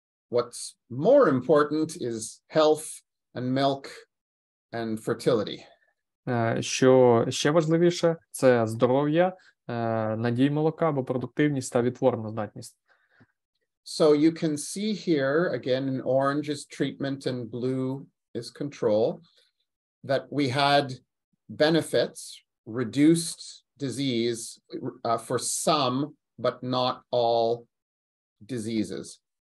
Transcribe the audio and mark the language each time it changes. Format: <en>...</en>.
<en>What's more important is health and milk and fertility.</en> <uk>Що ще важливіше, це здоров'я, надій молока або продуктивність та відтворна здатність.</uk> <en>So you can see here, again, in orange is treatment and blue is control, that we had benefits, reduced disease for some, but not all diseases.</en>